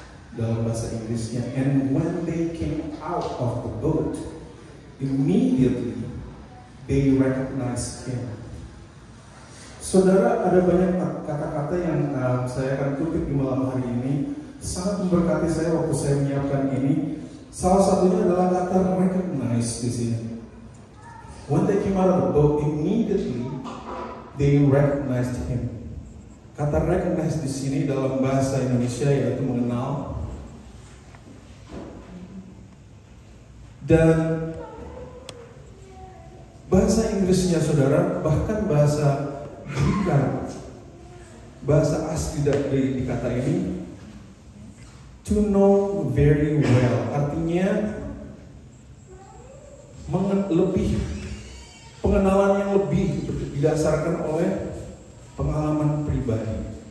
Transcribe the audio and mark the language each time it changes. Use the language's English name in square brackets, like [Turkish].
[Indonesian] Dalam bahasa Inggrisnya, [English] and when they came out of the boat, immediately they recognized him. [Indonesian] Saudara, ada banyak kata-kata yang saya akan kutip di malam hari ini, sangat memberkati saya waktu saya menyiapkan ini. Salah satunya adalah kata recognize di sini. [English] When they came out of the boat, immediately they recognized him. [Indonesian] Kata recognize di sini dalam bahasa Indonesia yaitu mengenal. Dan bahasa Inggrisnya, saudara, bahkan bahasa Jika bahasa asli dari kata ini, [English] to know very well, [Indonesian] artinya lebih pengenalan yang lebih didasarkan oleh pengalaman pribadi.